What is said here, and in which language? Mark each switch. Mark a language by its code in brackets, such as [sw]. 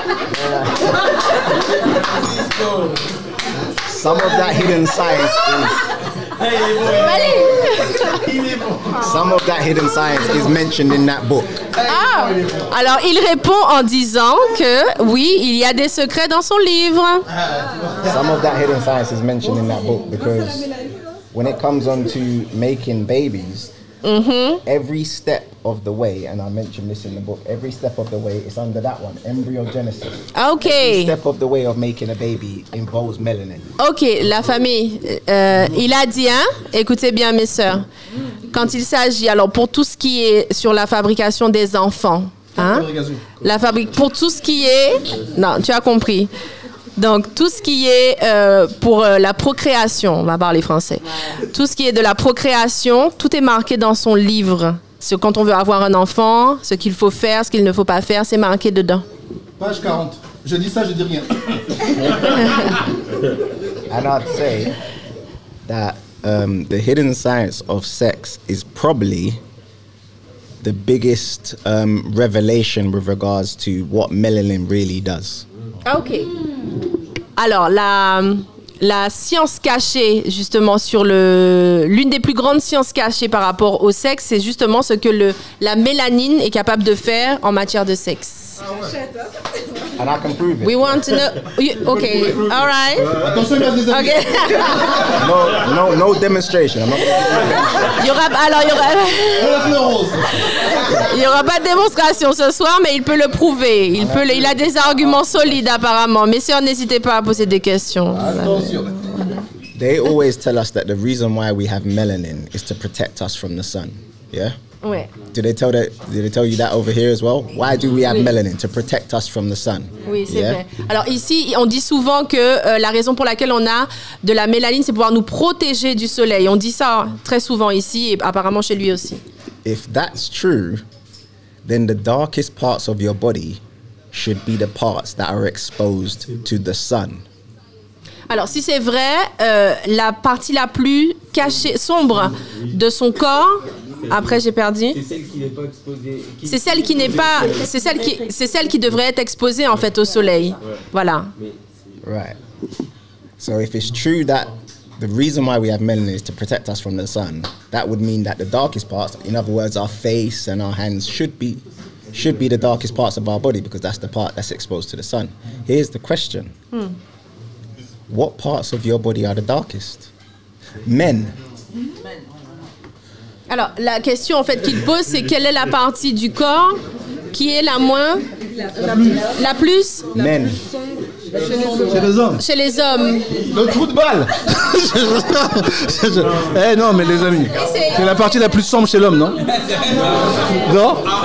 [en] Oh my god. Some of that hidden science is Some of that hidden science is mentioned in that book. [fr] Ah, alors il répond en disant que oui, il y a des secrets dans son livre. [en] Some of that hidden science is mentioned in that book because when it comes on to making babies, every step of the way, and I mentioned this in the book, every step of the way is under that one, embryogenesis. Okay. Every step of the way of making a baby involves melanin. [fr] Okay, la famille, il a dit, hein? Écoutez bien, mes sœurs, quand il s'agit, alors pour tout ce qui est sur la fabrication des enfants, hein? La fabrique, pour tout ce qui est, non, tu as compris. Donc, tout ce qui est pour la procréation, on va parler français, tout ce qui est de la procréation, tout est marqué dans son livre. C'est quand on veut avoir un enfant, ce qu'il faut faire, ce qu'il ne faut pas faire, c'est marqué dedans. Page 40. Je dis ça, je dis rien. [en] And I'd say that the hidden science of sex is probably the biggest revelation with regards to what melanin really does. [fr] Ok. Alors, la science cachée, justement, sur l'une des plus grandes sciences cachées par rapport au sexe, c'est justement ce que la mélanine est capable de faire en matière de sexe. [en] And I can prove it. We want to know. Okay. All right. Okay. No demonstration. [fr] Il y aura pas de démonstration ce soir, mais il peut le prouver. Il a des arguments solides apparemment. Messieurs, n'hésitez pas à poser des questions. [en] They always tell us that the reason why we have melanin is to protect us from the sun. Yeah. [fr] Ouais. [en] Did they tell you that over here as well? Why do we have melanin to protect us from the sun? [fr] Oui, c'est vrai. Alors ici, on dit souvent que la raison pour laquelle on a de la mélanine, c'est pouvoir nous protéger du soleil. On dit ça très souvent ici, et apparemment chez lui aussi. [en] If that's true, then the darkest parts of your body should be the parts that are exposed to the sun. [fr] Alors si c'est vrai, la partie la plus cachée, sombre de son corps. Après, j'ai perdu. C'est celle qui n'est pas exposée. C'est celle qui devrait être exposée en fait au soleil. Voilà. [en] Right. So if it's true that the reason why we have melanin is to protect us from the sun, that would mean that the darkest parts, in other words, our face and our hands, should be the darkest parts of our body because that's the part that's exposed to the sun. Here's the question. What parts of your body are the darkest? Men. [fr] Alors, la question en fait qu'il pose, c'est quelle est la partie du corps qui est la moins... La plus [en] Men. [fr] Chez les hommes. Le trou de balle. Non, mais les amis, c'est la partie la plus sombre chez l'homme, non? Non?